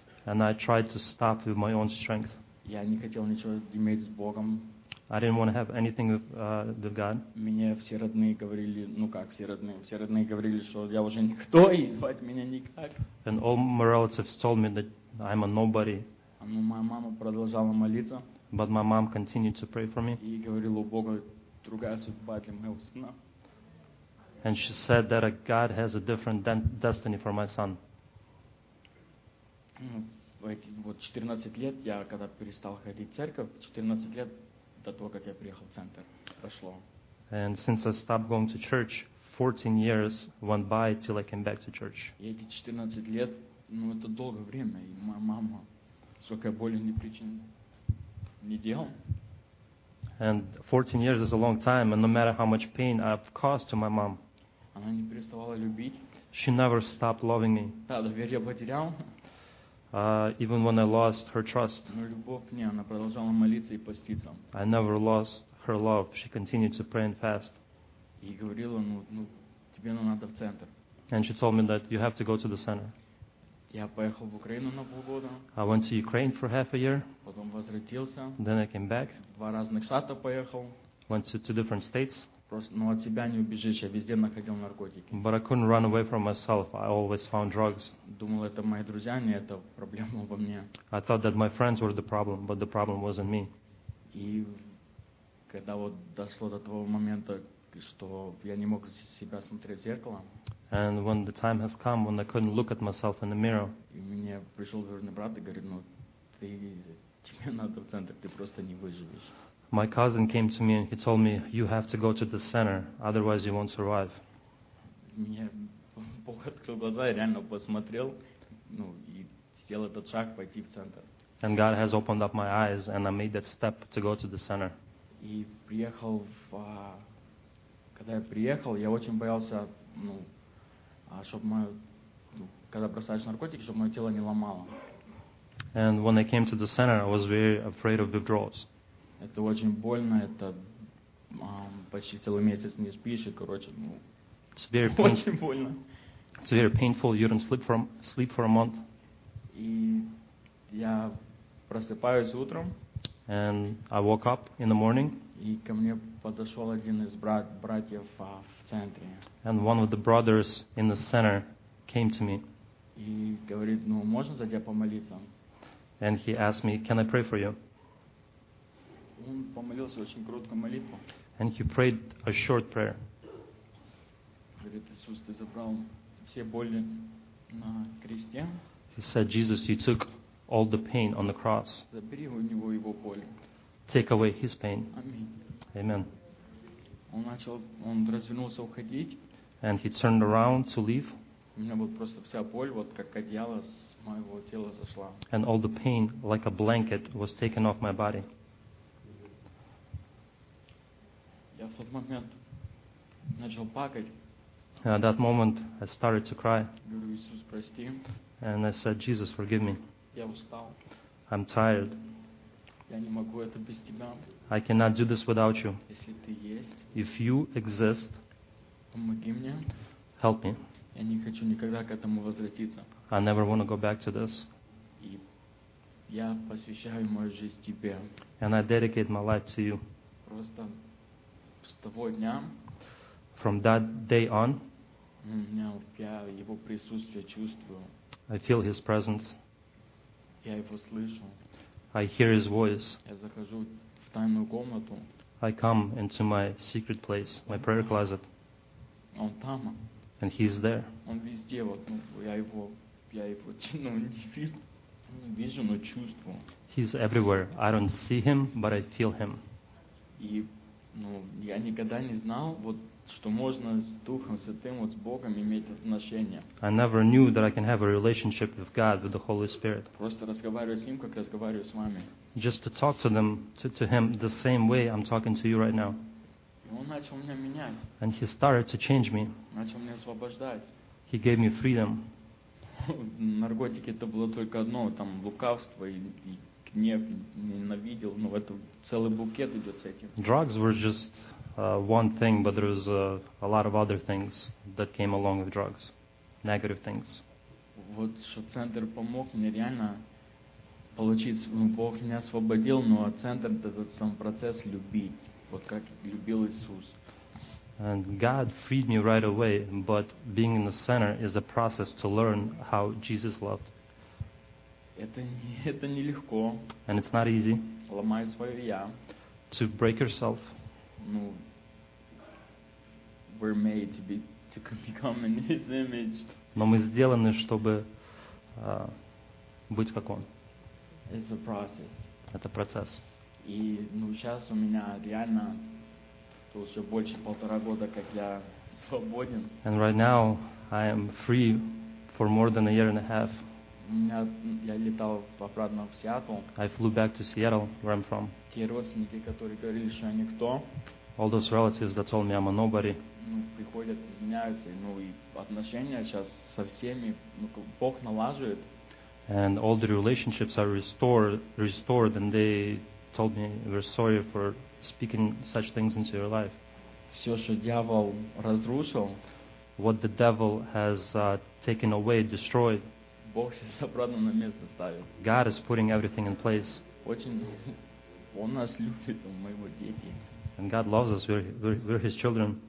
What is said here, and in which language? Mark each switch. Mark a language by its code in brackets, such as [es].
[en] And I tried to stop with my own strength. [ru] Я не хотел ничего иметь с Богом. [en] I didn't want to have anything with God. [ru] Мне все родные говорили, ну как все родные? Все родные говорили, что я уже никто и звать меня никак. [en] And all my relatives told me that I'm a nobody. [ru] Но моя мама продолжала молиться. [en] But my mom continued to pray for me. [ru] И говорила, у Бога другая судьба для моего сына. [en] And she said that God has a different destiny for my son. [ru] Вот 14 лет я когда перестал ходить в церковь, 14 лет до того, как я приехал в центр, прошло. [en] And since I stopped going to church, 14 years went by till I came back to church. [ru] И эти 14 лет, ну это долгое время, и моя мама столько боли не причинила, не делала. [en] And 14 years is a long time, and no matter how much pain I've caused to my mom, [ru] она не переставала любить. [en] She never stopped loving me. [ru] Да, доверие потерял. [en] Even when I lost her trust. [ru] Но любовь к ней, она продолжала молиться и поститься. [en] I never lost her love. She continued to pray and fast. [ru] И говорила, ну тебе надо в центр. [en] And she told me that you have to go to the center. [ru] Я поехал в Украину на полгода. [en] I went to Ukraine for half a year. [ru] Потом возвратился. [en] Then I came back. [ru] Два разных штата поехал. [en] Went to two different states. [ru] Просто, ну, от себя не убежишь, я везде находил наркотики. [en] But I couldn't run away from myself. I always found drugs. [ru] Думал, это мои друзья, не это проблема во мне. [en] I thought that my friends were the problem, but the problem wasn't me. [ru] И когда вот дошло до того момента, что я не мог себя смотреть в зеркало. [en] And when the time has come when I couldn't look at myself in the mirror. [ru] И мне пришел верный брат и говорит, ну тебе надо в центр, ты просто не выживешь. [en] My cousin came to me and he told me, you have to go to the center, otherwise you won't survive. [ru] Мне Бог открыл глаза и реально посмотрел, ну и сделал этот шаг пойти в центр. [en] And God has opened up my eyes and I made that step to go to the center. [ru] И приехал в когда я приехал, я очень боялся, ну, чтобы мое, ну, когда бросаешь наркотики, чтобы мое тело не ломало. [en] And when I came to the center, I was very afraid of withdrawals. [ru] Это очень больно, это почти целый месяц не спишь, и, короче, ну, [en] it's very [ru] очень больно. [en] It's very painful, you don't sleep for a month. [ru] И я просыпаюсь утром. [en] And I woke up in the morning. [ru] И ко мне подошел один из братьев в центре. [en] And one of the brothers in the center came to me. [ru] И говорит, ну, можно за тебя помолиться? [en] And he asked me, can I pray for you? [ru] Он помолился очень короткую молитву. [en] And he prayed a short prayer. [ru] Говорит, Иисус, ты забрал все боли на кресте. [en] He said, Jesus, you took all the pain on the cross. [ru] Забери у него его боль. [en] Take away his pain. [ru] Аминь. [en] Amen. [ru] Он начал, он развернулся уходить. [en] And he turned around to leave. [ru] У меня была просто вся боль, вот как одеяло с моего тела зашла. [en] And all the pain, like a blanket, was taken off my body. [ru] Я в тот момент начал плакать. [en] At that moment, I started to cry. [ru] Говорю, Иисус, прости. [en] And I said, Jesus, forgive me. [ru] Я устал. [en] I'm tired. [ru] Я не могу это без тебя. [en] I cannot do this without you. [ru] Если ты есть, [en] if you exist, [ru] помоги мне. [en] Help me. [ru] Я не хочу никогда к этому возвратиться. [en] I never want to go back to this. [ru] И я посвящаю мою жизнь тебе. [en] And I dedicate my life to you. [ru] Просто с того дня. [en] From that day on, [ru] я его присутствие чувствую. [en] I feel his presence. [ru] Я его слышу. [en] I hear his voice. [ru] Я захожу в тайную комнату. [en] I come into my secret place, my prayer closet. [ru] Он там. [en] And he's there. [ru] Он везде, вот, ну, я его, ну, не вижу, но чувствую. [en] He's everywhere. I don't see him, but I feel him. [ru] И, ну, я никогда не знал, вот, что можно с Духом Святым, вот с Богом иметь отношения. [en] I never knew that I can have a relationship with God, with the Holy Spirit. [ru] Просто разговариваю с ним, как разговариваю с вами. [en] Just to talk to them, to him the same way I'm talking to you right now. [ru] И он начал меня менять. [en] And he started to change me. [ru] Начал меня освобождать. [en] He gave me freedom. [ru] Наркотики это было только одно, там лукавство и гнев, ненавидел, но это целый букет идет с этим. [en] Drugs were just one thing, but there was a lot of other things that came along with drugs, negative things. [ru] Вот что центр помог мне реально получить, ну, Бог меня освободил, но а центр этот сам процесс любить, вот как любил Иисус. [en] And God freed me right away, but being in the center is a process to learn how Jesus loved. [ru] Это не легко. [en] And it's not easy. [ru] Ломай свое я. [en] To break yourself. Ну, we're made to be to become in His image. [ru] Но мы сделаны, чтобы быть как Он. [en] It's a process. [ru] Это процесс. И, ну, сейчас у меня реально уже больше полтора года, как я свободен. [en] And right now I am free for more than a year and a half. [ru] Я летал обратно в Сиэтл. [en] I flew back to Seattle, where I'm from. [ru] Те родственники, которые говорили, что я никто. [en] All those relatives that told me I'm a nobody. [ru] Ну, приходят, извиняются, ну и отношения сейчас со всеми, ну, Бог налаживает. [en] And all the relationships are restored, and they told me we're sorry for speaking such things into your life. [ru] Все, что дьявол разрушил. [en] What the devil has taken away, destroyed. [ru] Бог сейчас обратно на место ставит. [en] God is putting everything in place. [ru] Очень, он нас любит, он моего дети. [en] And God loves us, we're His children.